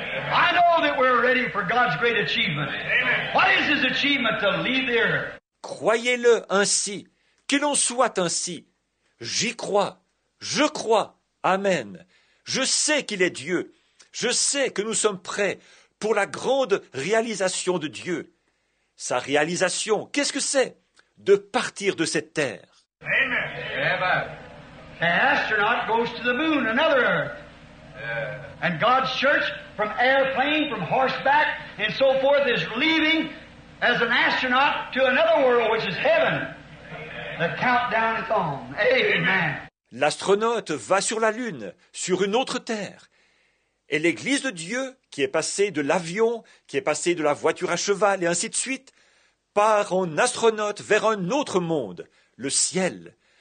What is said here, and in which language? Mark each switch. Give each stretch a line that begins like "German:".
English: I know that we're ready for God's great achievement. What is His achievement to leave the earth?
French: Croyez-le ainsi, qu'il en soit ainsi. J'y crois. Je crois. Amen. Je sais qu'il est Dieu. Je sais que nous sommes prêts pour la grande réalisation de Dieu. Sa réalisation, qu'est-ce que c'est? De partir de cette terre. Amen. Amen.
English: An astronaut goes to the moon, another earth. And God's church, from airplane, from horseback, and so forth, is leaving as an astronaut to another world, which is heaven. The countdown is on. Amen.
French: L'astronaute va sur la lune, sur une autre terre. Et l'église de Dieu, qui est passée de l'avion, qui est passée de la voiture à cheval, et ainsi de suite, part en astronaute vers un autre monde, le ciel.